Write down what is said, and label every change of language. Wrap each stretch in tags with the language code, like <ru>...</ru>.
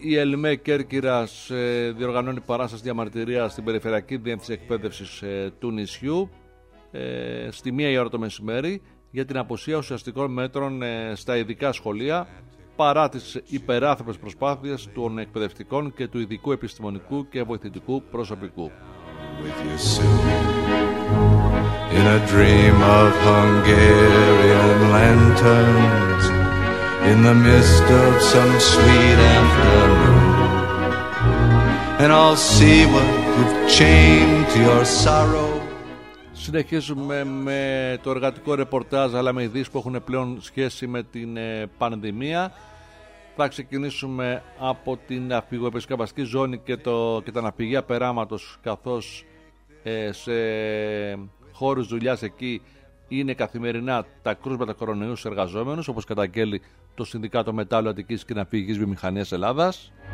<el>Η ΕΛΜΕ Κέρκυρας διοργανώνει παράσταση διαμαρτυρίας στην Περιφερειακή Διεύθυνση Εκπαίδευσης του νησιού στη 1 η ώρα το μεσημέρι για την απουσία ουσιαστικών μέτρων στα ειδικά σχολεία παρά τις υπεράθμιες προσπάθειες των εκπαιδευτικών και του ειδικού επιστημονικού και βοηθητικού προσωπικού.</el> <en>In a dream of Hungarian lanterns, in the midst of some sweet afternoon, and I'll see what you've chained to your sorrow.</en> <el>Συνεχίζουμε με το εργατικό ρεπορτάζ, αλλά με ειδήσεις που έχουν πλέον σχέση με την πανδημία. Θα ξεκινήσουμε από την αφηγοεπισκοπαστική ζώνη και, τα ναυπηγεία περάματος, καθώς σε χώρους δουλειάς εκεί είναι καθημερινά τα κρούσματα κορονοϊού στους εργαζόμενους, όπως καταγγέλει το Συνδικάτο Μετάλλου Αττικής και Ναυπηγικής Βιομηχανίας Ελλάδας.</el>